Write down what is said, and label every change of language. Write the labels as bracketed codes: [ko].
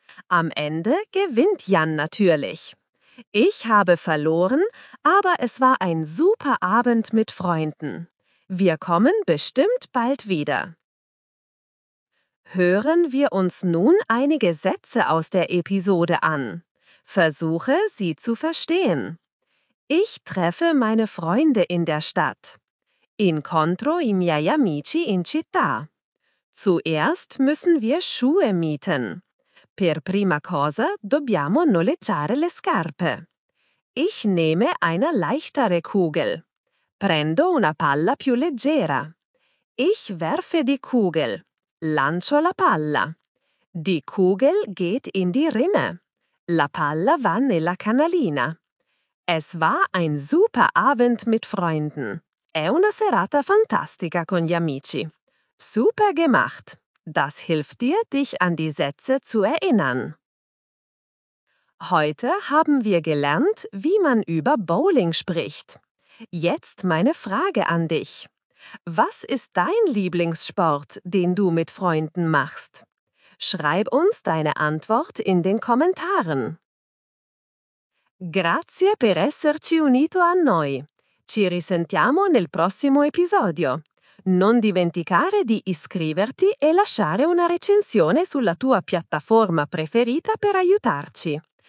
[de] Am Ende gewinnt Jan natürlich. Ich habe verloren, aber es war ein super Abend mit Freunden. Wir kommen bestimmt bald wieder. Hören wir uns nun einige Sätze aus der Episode an. Versuche, sie zu verstehen. Ich treffe meine Freunde in der Stadt. [it] Incontro i miei amici in città. [de] Zuerst müssen wir Schuhe mieten. [it] Per prima cosa dobbiamo noleggiare le scarpe. [de] Ich nehme eine leichtere Kugel. [it] Prendo una palla più leggera. [de] Ich werfe die Kugel. [it] Lancio la palla. [de] Die Kugel geht in die Rinne. [it] La palla va nella canalina. [de] Es war ein super Abend mit Freunden. [it] È una serata fantastica con gli amici. [de] Super gemacht. Das hilft dir, dich an die Sätze zu erinnern. Heute haben wir gelernt, wie man über Bowling spricht. Jetzt meine Frage an dich. Was ist dein Lieblingssport, den du mit Freunden machst? Schreib uns deine Antwort in den Kommentaren. [it] Grazie per esserci unito a noi. Ci risentiamo nel prossimo episodio. Non dimenticare di iscriverti e lasciare una recensione sulla tua piattaforma preferita per aiutarci.